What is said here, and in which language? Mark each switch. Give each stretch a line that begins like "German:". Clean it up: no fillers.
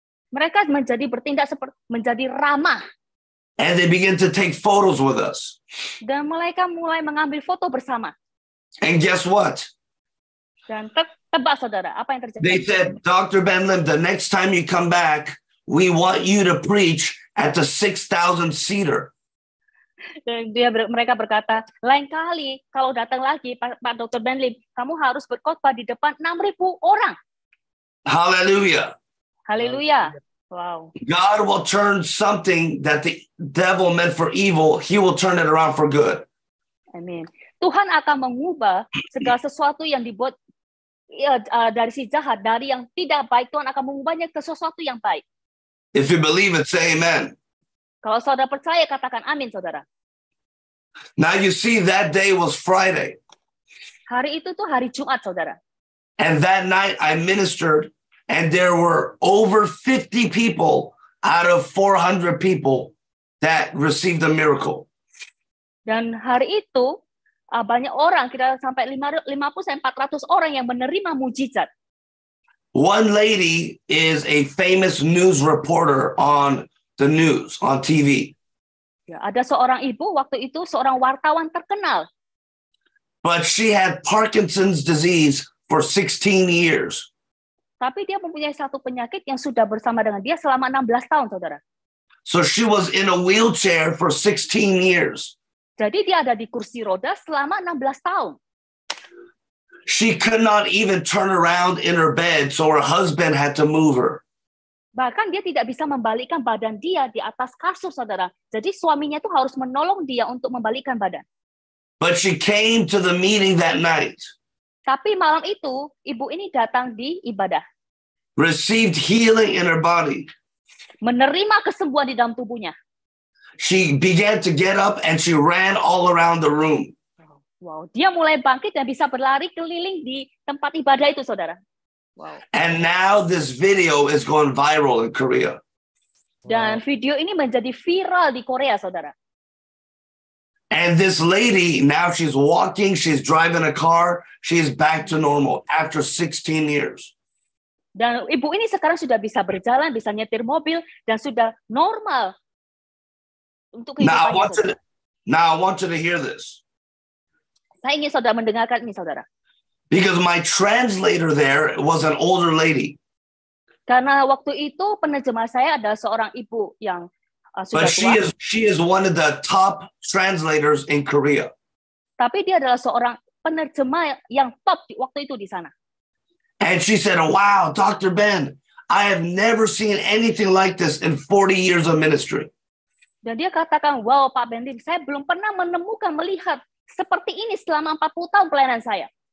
Indonesian: Mereka menjadi bertindak seperti menjadi ramah.
English: And they begin to take photos with us.
Indonesian: Dan mereka mulai mengambil foto bersama.
English: And guess what?
Indonesian: Dan tebak, saudara, apa yang terjadi?
English: They said, Dr. Ben Lim, the next time you come back, we want you to preach at the 6,000 seater.
Indonesian: Dan dia mereka berkata, lain kali kalau datang lagi Pak Dr. Ben Lim, kamu harus berkhotbah di depan 6,000 orang. Hallelujah. Hallelujah. Wow.
English: God will turn something that the devil meant for evil, he will turn it around for good.
Indonesian: Amin. Tuhan akan mengubah segala sesuatu yang dibuat dari si jahat, dari yang tidak baik, Tuhan akan mengubahnya ke sesuatu yang baik.
English: If you believe it, say amen.
Indonesian: Kalau saudara percaya, katakan amin, saudara.
English: Now you see, that day was Friday.
Indonesian: Hari itu tuh hari Jumat, saudara.
English: And that night I ministered, and there were over 50 people out of 400 people that received a miracle.
Indonesian: Dan hari itu, banyak orang, kita sampai 50-400 orang yang menerima mujizat.
English: One lady is a famous news reporter on the news, on TV.
Indonesian: Ya, ada seorang ibu, waktu itu seorang wartawan terkenal.
English: But she had Parkinson's disease for 16 years.
Indonesian: Tapi dia mempunyai satu penyakit yang sudah bersama dengan dia selama 16 tahun, saudara.
English: So she was in a wheelchair for 16 years.
Indonesian: Jadi dia ada di kursi roda selama 16 tahun.
English: She could not even turn around in her bed, so her husband had to move her.
Indonesian: Bahkan dia tidak bisa membalikkan badan dia di atas kasur, saudara. Jadi suaminya itu harus menolong dia untuk membalikkan badan.
English: But she came to the meeting that night.
Indonesian: Tapi malam itu, ibu ini datang di ibadah.
English: Received healing in her body.
Indonesian: Menerima kesembuhan di dalam tubuhnya.
English: She began to get up and she ran all around the room.
Indonesian: Wow, dia mulai bangkit dan bisa berlari keliling di tempat ibadah itu, saudara. Wow.
English: And now this video is going viral in Korea.
Indonesian: Dan video ini menjadi viral di Korea, saudara.
English: And this lady, now she's walking, she's driving a car, she's back to normal after 16 years.
Indonesian: Dan ibu ini sekarang sudah bisa berjalan, bisa nyetir mobil, dan sudah normal.
English: Now I want you to hear this.
Indonesian: Saya ingin saudara mendengarkan ini, saudara.
English: Because my translator there was an older lady.
Indonesian: Karena waktu itu penerjemah saya adalah seorang ibu yang sudah tua.
English: She is one of the top translators in Korea.
Indonesian: Tapi dia adalah seorang penerjemah yang top waktu itu di sana.
English: And she said, "Wow, Dr. Ben, I have never seen anything like this in 40 years of ministry."
Indonesian: Dan dia katakan, "Wow, Pak Bendim, saya belum pernah menemukan melihat seperti ini selama 40 tahun pelayanan saya."